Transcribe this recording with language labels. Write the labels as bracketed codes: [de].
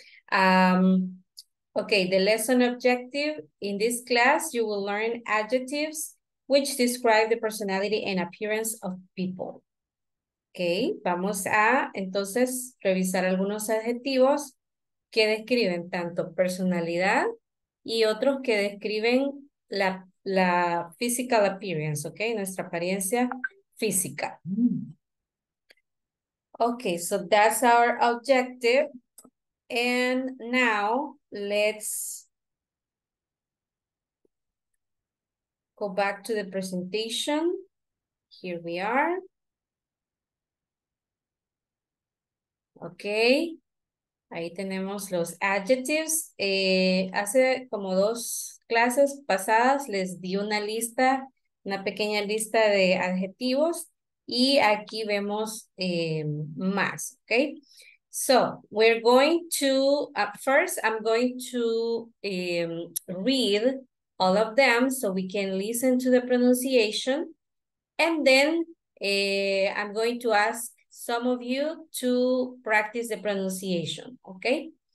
[en] Okay, the lesson objective in this class, you will learn adjectives which describe the personality and appearance of people. [es] Okay, vamos a entonces revisar algunos adjetivos que describen tanto personalidad y otros que describen la [en] physical appearance, [es] okay, nuestra apariencia física. [en] Okay, so that's our objective. And now let's go back to the presentation. Here we are. [es] Okay, ahí tenemos los adjectives. Hace como dos clases pasadas les di una lista, una pequeña lista de adjetivos. Y aquí vemos más, okay? [en] So, we're going to, first I'm going to read all of them so we can listen to the pronunciation. And then I'm going to ask some of you to practice the pronunciation, okay?